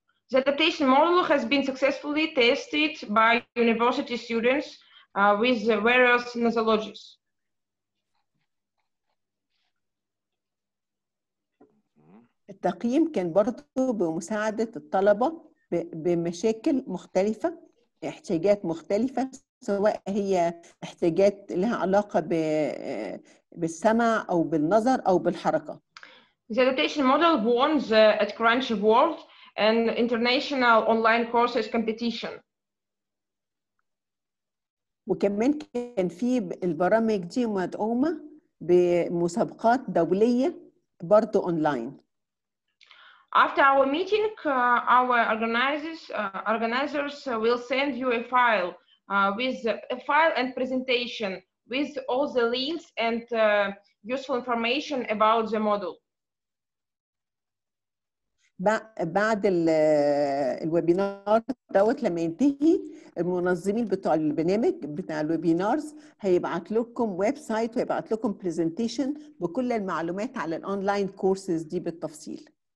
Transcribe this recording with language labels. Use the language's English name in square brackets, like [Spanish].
[English] The adaptation model has been successfully tested by university students with various nosologies. [Arabic] التقييم كان برضو بمساعدة الطلبة بمشاكل مختلفة، احتياجات مختلفة. سواء هي احتياجات لها علاقة بالسمع أو بالنظر أو بالحركة. [English] The adaptation model won the at Crunch World and international online courses competition. [Arabic] وكمان كان في البرامج دي مدعومة بمسابقات دولية برضو أونلاين. [English] After our meeting, our organizers will send you a file. With a file and presentation with all the links and useful information about the model. [Arabic] بعد الويبينار دوت لما ينتهي المنظمين بتوع البرنامج بتاع الويبينارز هيبعت لكم ويب سايت ويبعت لكم presentation بكل المعلومات على الاونلاين كورسز دي بالتفصيل.